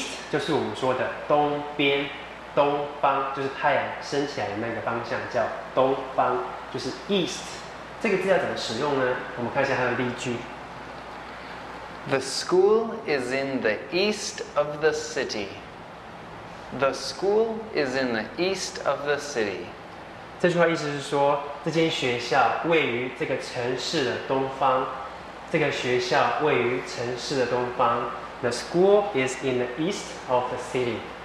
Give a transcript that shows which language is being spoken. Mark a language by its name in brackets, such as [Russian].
[Chinese] 就是我们说的东边，东方，就是太阳升起来的那个方向叫东方，就是 east。这个字要怎么使用呢？我们看一下它的例句 [English] ：The school is in the east of the city. The school is in the east of the city. [Chinese] 这句话意思是说，这间学校位于这个城市的东方。这个学校位于城市的东方。 [English] The school is in the east of the city.